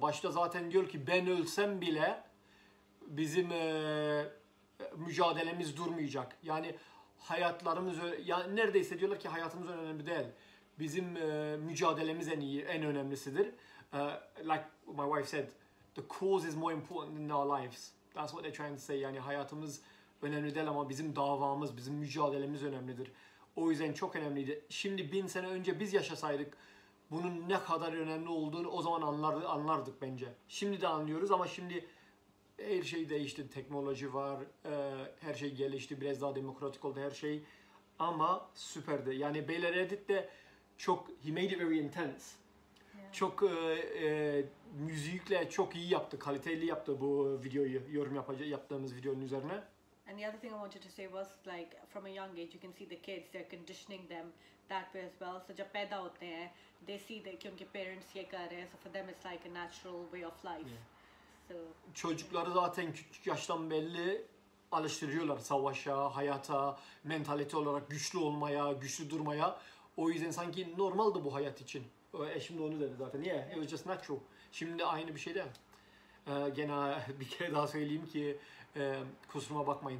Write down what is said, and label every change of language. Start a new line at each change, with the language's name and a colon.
Turkish: Başta zaten diyor ki ben ölsem bile bizim mücadelemiz durmayacak. Yani hayatlarımız, yani neredeyse diyorlar ki hayatımız önemli değil. Bizim mücadelemiz en iyi, en önemlisidir.
English: Like my wife said, the cause is more important than our lives. That's what they're trying to say.
Turkish: Yani hayatımız önemli değil ama bizim davamız, bizim mücadelemiz önemlidir. O yüzden çok önemliydi. Şimdi 1000 sene önce biz yaşasaydık bunun ne kadar önemli olduğunu o zaman anlardık bence. Şimdi de anlıyoruz ama şimdi her şey değişti. Teknoloji var, her şey gelişti. Biraz daha demokratik oldu her şey. Ama süperdi. Yani Baylor Edit de çok,
English: he made it very intense.
Turkish: Çok müzikle çok iyi yaptı, kaliteli yaptı bu videoyu, yorum yaptığımız videonun üzerine.
English: And the other thing I wanted to say was, like, from a young age you can see the kids, they're conditioning them that way as well. So
Hindi: jab paida hote hain,
English: they see that
Hindi: kyunki
English: parents
Hindi: ye kar rahe hain,
English: so for them it's like a natural way of life. So
Turkish: çocukları zaten küçük yaştan belli alıştırıyorlar savaşa, hayata, mentalite olarak güçlü olmaya, güçlü durmaya. O yüzden sanki normaldi bu hayat için. Eşim de onu dedi zaten.
English: Yeah, it was just natural.
Turkish: Şimdi de aynı bir şey de. Gene bir kere daha söyleyeyim ki kusuruma bakmayın.